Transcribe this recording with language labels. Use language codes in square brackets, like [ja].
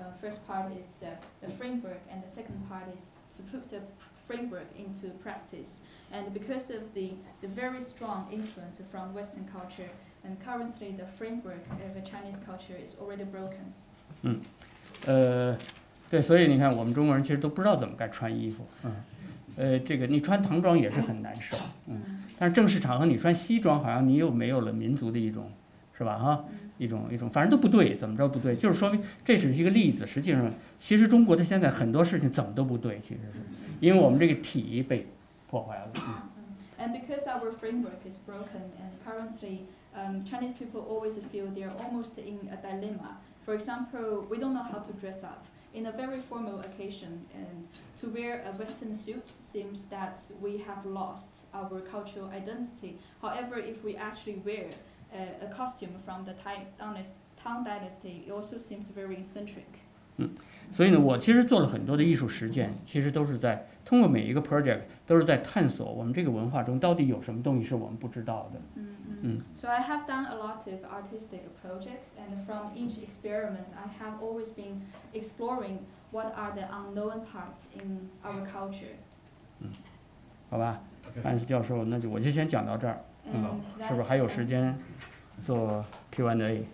[en] First part is the framework, and the second part is to put the framework into practice. And because of the very strong influence from Western culture, and currently the framework of Chinese culture is already broken. [zh] 对，所以你看，我们中国人其实都不知道怎么该穿衣服。这个你穿唐装也是很难受。但是正式场合你穿西装，好像你又没有了民族的一种，是吧？一种，反正都不对，怎么着不对？就是说明这只是一个例子。实际上，其实中国的现在很多事情怎么都不对，其实是因为我们这个体被破坏了。 [en] And because our framework is broken, and currently, Chinese people always feel they are almost in a dilemma. For example, we don't know how to dress up. In a very formal occasion, and to wear a Western suit seems that we have lost our cultural identity. However, if we actually wear a costume from the Tang Dynasty, it also seems very eccentric. [zh] 所以呢，我其实做了很多的艺术实践，其实都是在通过每一个 project， 都是在探索我们这个文化中到底有什么东西是我们不知道的。嗯。 [en] So I have done a lot of artistic projects, and from each experiment, I have always been exploring what are the unknown parts in our culture. [zh] 嗯，好吧，安斯教授，那就我就先讲到这儿。嗯，是不是还有时间做 Q&A？